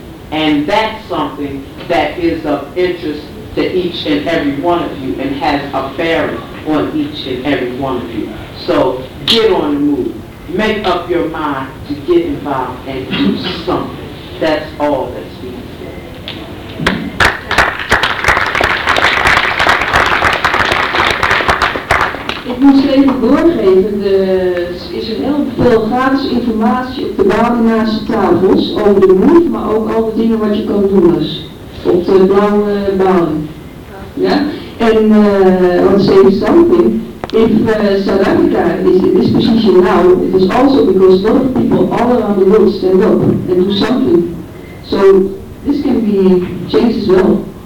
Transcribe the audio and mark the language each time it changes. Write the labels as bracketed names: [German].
[English] And that's something that is of interest to each and every one of you and has a bearing on each and every one of you. So get on the MOVE. Make up your mind to get involved and do something. That's all that's being said. [Dutch] Ik moest even doorgeven, is er heel veel gratis informatie op de Balinaanse tafels over de MOVE, maar ook over dingen wat je kan doen dus, op de blauwe balen. Ja? En wat is even [English] something, if South Africa is in this position now, it is also because a lot of people all around the world stand up and do something. So this can be changed as well.